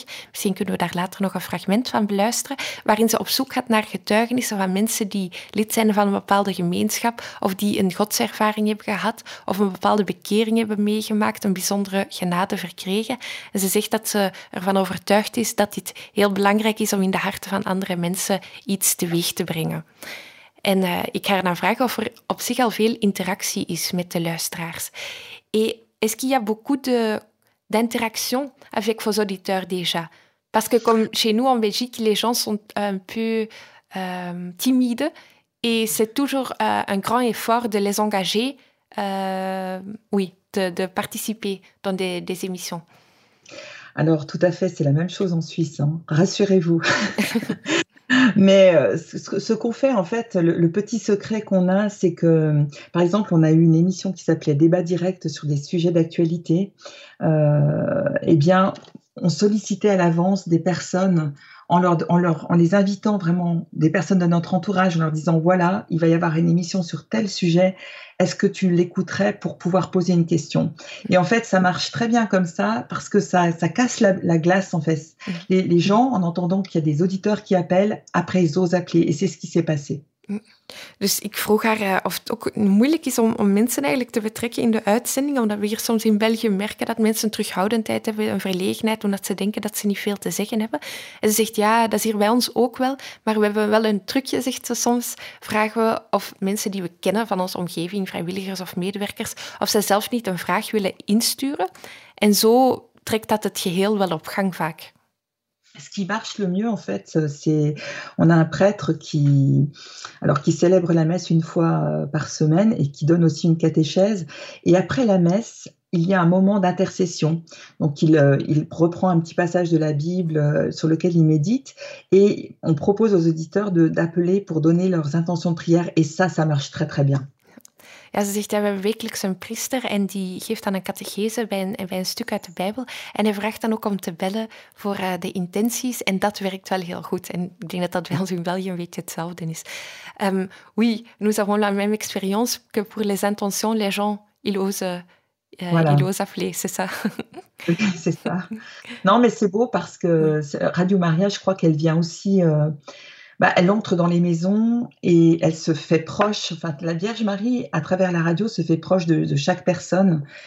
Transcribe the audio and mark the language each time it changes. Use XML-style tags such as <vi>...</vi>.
<nl>Misschien kunnen we daar later nog een fragment van beluisteren, waarin ze op zoek gaat naar getuigenissen van mensen die lid zijn van een bepaalde gemeenschap of die een godservaring hebben gehad of een bepaalde bekering hebben meegemaakt, een bijzondere genade verkregen. En ze zegt dat ze ervan overtuigd is dat dit heel belangrijk is om in de harten van andere mensen iets teweeg te brengen. En ik ga haar dan vragen of er op zich al veel interactie is met de luisteraars.</nl> <fr>Et est-ce qu'il y a beaucoup d'interaction avec vos auditeurs déjà? Parce que comme chez nous en Belgique, les gens sont un peu timides et c'est toujours un grand effort de les engager, de participer dans des émissions. Alors tout à fait, c'est la même chose en Suisse, hein. Rassurez-vous. Mais ce qu'on fait, en fait, le petit secret qu'on a, c'est que, par exemple, on a eu une émission qui s'appelait « Débat direct sur des sujets d'actualité ». Eh bien, on sollicitait à l'avance des personnes en les invitant vraiment, des personnes de notre entourage, en leur disant « Voilà, il va y avoir une émission sur tel sujet, est-ce que tu l'écouterais pour pouvoir poser une question ?» Et en fait, ça marche très bien comme ça, parce que ça casse la glace, en fait. Les gens, en entendant qu'il y a des auditeurs qui appellent, après ils osent appeler, et c'est ce qui s'est passé.</fr> <nl>Dus ik vroeg haar of het ook moeilijk is om mensen eigenlijk te betrekken in de uitzending, omdat we hier soms in België merken dat mensen terughoudendheid hebben, een verlegenheid, omdat ze denken dat ze niet veel te zeggen hebben. En ze zegt, ja, dat is hier bij ons ook wel, maar we hebben wel een trucje, zegt ze soms, vragen we of mensen die we kennen van onze omgeving, vrijwilligers of medewerkers, of ze zelf niet een vraag willen insturen. En zo trekt dat het geheel wel op gang vaak.</nl> <fr>Ce qui marche le mieux, en fait, c'est on a un prêtre qui célèbre la messe une fois par semaine et qui donne aussi une catéchèse. Et après la messe, il y a un moment d'intercession. Donc, il reprend un petit passage de la Bible sur lequel il médite et on propose aux auditeurs d'appeler pour donner leurs intentions de prière. Et ça marche très, très bien.</fr> <nl>Ja, ze zegt, ja, we hebben wekelijks een priester en die geeft dan een catechese bij een stuk uit de Bijbel. En hij vraagt dan ook om te bellen voor de intenties en dat werkt wel heel goed. En ik denk dat dat wel in België een beetje hetzelfde is.</nl> <fr>Oui, nous avons la même expérience que pour les intentions, les gens, ils osent... Voilà. Il ose appeler, c'est ça. C'est ça. Non, mais c'est beau parce que Radio Maria, je crois qu'elle vient aussi... elle entre dans les maisons et elle se fait proche. Enfin, la Vierge Marie, à travers la radio, se fait proche de chaque personne.</fr>